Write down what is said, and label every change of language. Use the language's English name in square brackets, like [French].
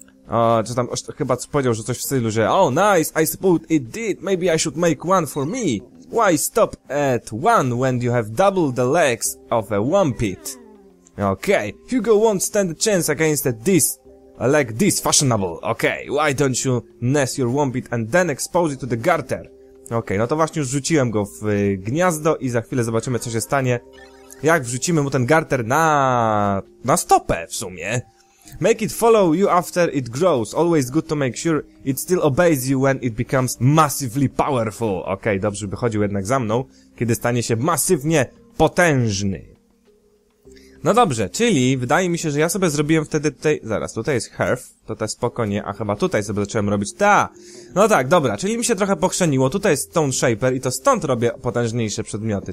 [Polish] O, czy tam chyba powiedział, że coś w stylu, że... [English] Oh, nice, I suppose it did, maybe I should make one for me. Why stop at one when you have double the legs of a wompit? Okay, Hugo won't stand a chance against this leg this fashionable. Okay, why don't you nest your wompit and then expose it to the garter? [Polish] Okay, no to właśnie już wrzuciłem go w gniazdo i za chwilę zobaczymy, co się stanie, jak wrzucimy mu ten garter na stopę w sumie. [English] Make it follow you after it grows. Always good to make sure it still obeys you when it becomes massively powerful. [Polish] Okej, dobrze by chodził jednak za mną, kiedy stanie się masywnie potężny. No dobrze, czyli wydaje mi się, że ja sobie zrobiłem wtedy tutaj... Zaraz, tutaj jest health, to te spokojnie, a chyba tutaj sobie zacząłem robić... Ta! No tak, dobra, czyli mi się trochę pochrzeniło. Tutaj jest Stone Shaper i to stąd robię potężniejsze przedmioty.